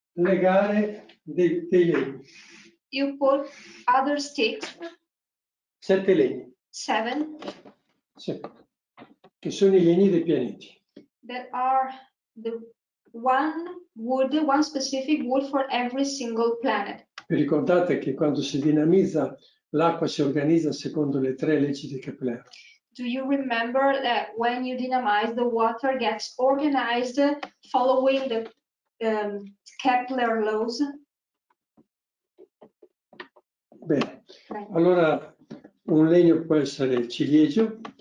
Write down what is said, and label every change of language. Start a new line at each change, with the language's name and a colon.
Italian: Legare dei legni.
English: You put other sticks.
Italian: Sette legni.
English: Seven.
Italian: Sì. Che sono i legni dei pianeti.
English: That are the one wood, one specific wood for every single planet.
Italian: Vi ricordate che quando si dinamizza l'acqua si organizza secondo le tre leggi di Kepler.
English: Do you remember that when you dynamize the water gets organized following the Kepler laws?
Italian: Bene, allora un legno può essere il ciliegio.